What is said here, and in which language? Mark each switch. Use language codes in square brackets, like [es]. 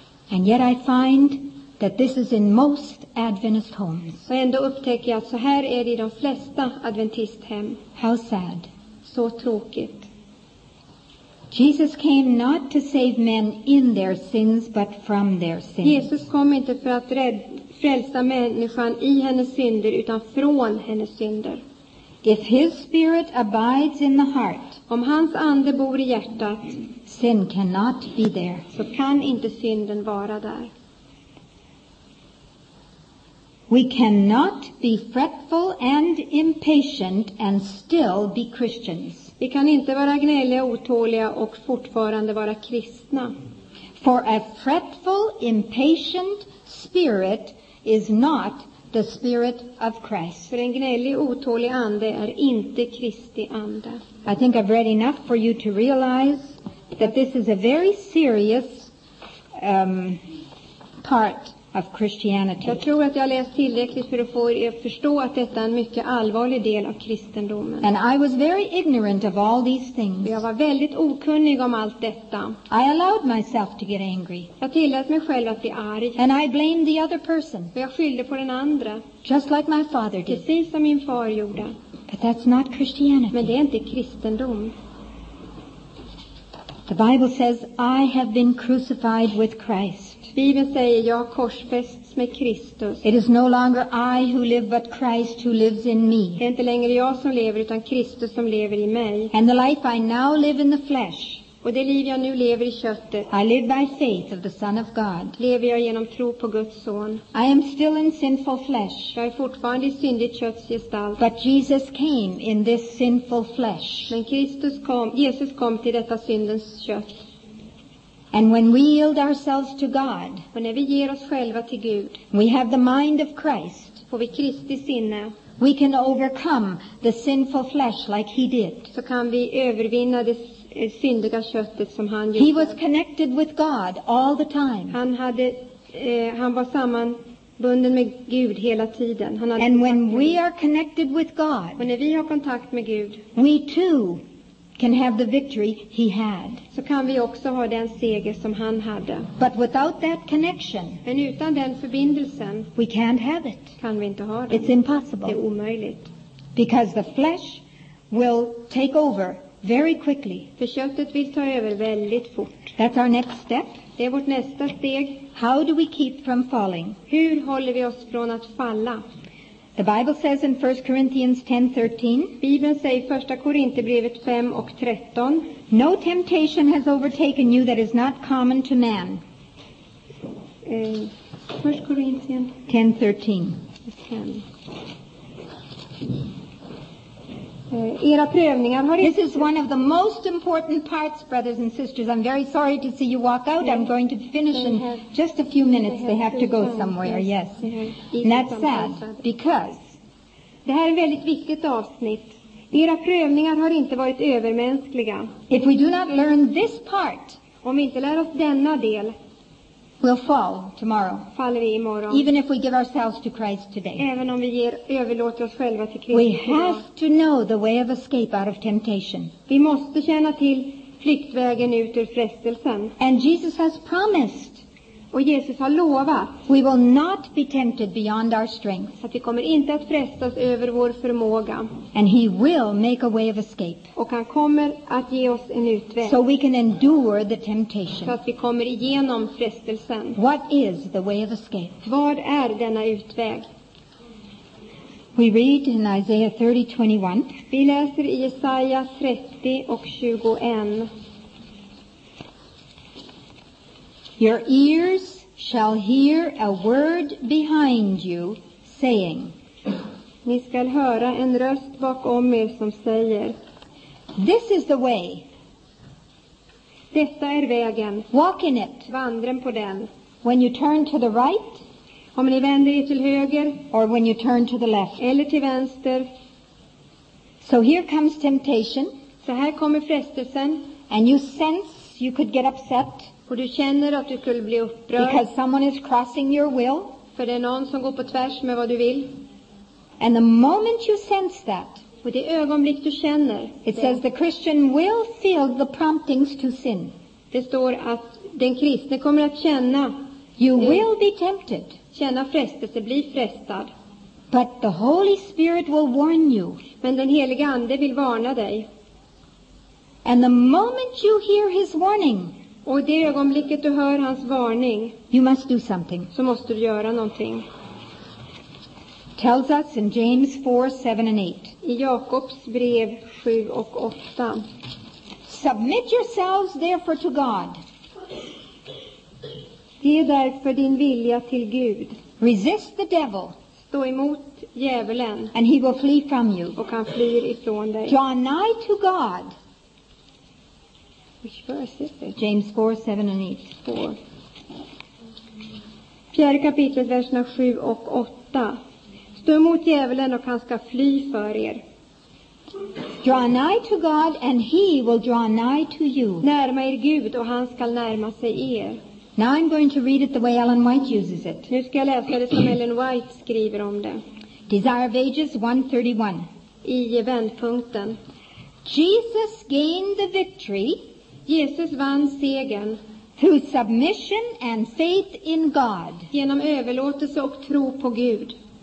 [en] And yet I find that this is in most Adventist homes. [sv] Och ändå upptäcker jag att så här är det i de flesta adventisthem. [en] How sad. [sv] Så tråkigt. [en] Jesus came not to save men in their sins but from their sins. [sv] Jesus kom inte för att frälsa människan i hennes synder utan från hennes synder. [en] If his spirit abides in the heart, [sv] om hans ande bor i hjärtat, [en] sin cannot be there. [sv] Så kan inte synden vara där. [en] We cannot be fretful and impatient and still be Christians. [sv] Vi kan inte vara gnälliga, otåliga och fortfarande vara kristna. [en] For a fretful, impatient spirit is not the spirit of Christ. [sv] För en gnällig, otålig ande är inte Kristi ande. [en] I think I've read enough for you to realize that this is a very serious part of Christianity. [sv] Jag tror att jag läst tillräckligt för att få er förstå att detta är en mycket allvarlig del av kristendomen. [en] And I was very ignorant of all these things. [sv] Jag var väldigt okunnig om allt detta. [en] I allowed myself to get angry. [sv] Jag tillät mig själv att bli arg. [en] And I blamed the other person. [sv] Jag skyllde på den andra. [en] Just like my father did. [sv] Precis som min far gjorde. [en] But that's not Christianity. [sv] Men det är inte kristendom. [en] The Bible says, I have been crucified with Christ. [sv] Bibeln säger, jag har korsfästs med Kristus. [en] It is no longer I who live, but Christ who lives in me. [sv] Det är inte längre jag som lever, utan Kristus som lever i mig. [en] And the life I now live in the flesh. [sv] Och det liv jag nu lever i köttet. [en] I live by faith of the Son of God. [sv] Lever jag genom tro på Guds son. [en] I am still in sinful flesh. [sv] Jag är fortfarande i syndigt kötts gestalt. [en] But Jesus came in this sinful flesh. [sv] Men Kristus kom, Jesus kom till detta syndens kött. [en] And when we yield ourselves to God, [sv] och när vi ger oss själva till Gud, [en] we have the mind of Christ, [sv] får vi Kristi sinne, [en] we can overcome the sinful flesh like he did. [sv] Så kan vi övervinna det syndiga köttet som han gjorde. [en] He was connected with God all the time. [sv] Han hade, han var sammanbunden med Gud hela tiden. Han hade [en] And when we are connected with God, [sv] och när vi har kontakt med Gud, [en] we too can have the victory he had. [sv] Så kan vi också ha den seger som han hade. [en] But without that connection, [sv] men utan den förbindelsen, [en] we can't have it. [sv] Kan vi inte ha det. [en] It's impossible. [sv] Det är omöjligt. [en] Because the flesh will take over very quickly. [sv] För köttet vill ta över väldigt fort. [en] That's our next step. [sv] Det är vårt nästa steg. [en] How do we keep from falling? [sv] Hur håller vi oss från att falla? [en] The Bible says in 1 Corinthians 10:13. [sv] Bibeln säger i Första Korinthierbrevet 5:13. [en] No temptation has overtaken you that is not common to man. 1 Corinthians 10:13. [sv] Era prövningar har [en] This is one of the most important parts, brothers and sisters. I'm very sorry to see you walk out. Yes. I'm going to finish in just a few minutes. They have to go somewhere, yes. Yes. And that's sad, because [sv] det här är ett väldigt viktigt avsnitt. Era prövningar har inte varit övermänskliga. [en] If we do not learn this part, [sv] om vi inte lär oss denna del, [en] we'll fall tomorrow. [sv] Faller vi imorgon. [en] Even if we give ourselves to Christ today. [sv] Även om vi överlåter oss själva till Kristus. [en] We have to know the way of escape out of temptation. [sv] Vi måste känna till flyktvägen ut ur frestelsen. [en] And Jesus has promised. [sv] Och Jesus har lovat. [en] We will not be tempted beyond our strength. [sv] Att vi kommer inte att frestas över vår förmåga. [en] And he will make a way of escape. [sv] Och han kommer att ge oss en utväg. [en] So we can endure the temptation. [sv] Så att vi kommer igenom frestelsen. [en] What is the way of escape? [sv] Vad är denna utväg? [en] We read in Isaiah 30:21. [sv] Vi läser i Jesaja 30:21. [en] Your ears shall hear a word behind you saying. [sv] Ni skall höra en röst bakom er som säger. [en] This is the way. [sv] Detta är vägen. [en] Walk in it. [sv] Vandren på den. [en] When you turn to the right. [sv] Om ni vänder er till höger. [en] Or when you turn to the left. [sv] Eller till vänster. [en] So here comes temptation. [sv] Så här kommer frestelsen. [en] And you sense you could get upset. [sv] Och du känner att du skulle bli upprörd. [en] Because someone is crossing your will. [sv] För det är någon som går på tvärs med vad du vill. [en] And the moment you sense that. [sv] Och det ögonblick du känner. [en] It says the Christian will feel the promptings to sin. [sv] Det står att den kristne kommer att känna. [en] You will be tempted. [sv] Känna frestelse, bli frestad. [en] But the Holy Spirit will warn you. [sv] Men den helige ande vill varna dig. [en] And the moment you hear his warning. [sv] Och det ögonblicket du hör hans varning, [en] you must do something. [sv] Så måste du göra någonting. [en] Tells us in James 4:7-8. [sv] I Jakobs brev 7:8. [en] Submit yourselves therefore to God. [sv] Ge därför din vilja till Gud. [en] Resist the devil. [sv] Stå emot djävulen. [en] And he will flee from you. [sv] Och han flyr ifrån dig. [en] Draw nigh to God. Which verse is it? James 4:7-8. 4. [sv] Fjärde kapitlet, verserna 7:8. Stå emot djävulen och han ska fly för er. [en] Draw nigh to God and he will draw nigh to you. [sv] Närma er Gud och han ska närma sig er. [en] Now I'm going to read it the way Ellen White uses it. [sv] Nu ska jag läsa det som Ellen White skriver om det. [en] Desire of Ages 131. [sv] I vändpunkten. [en] Jesus gained the victory. [sv] Jesus vann segern. [en] Through submission and faith in God. [sv] Genom överlåtelse och tro på Gud.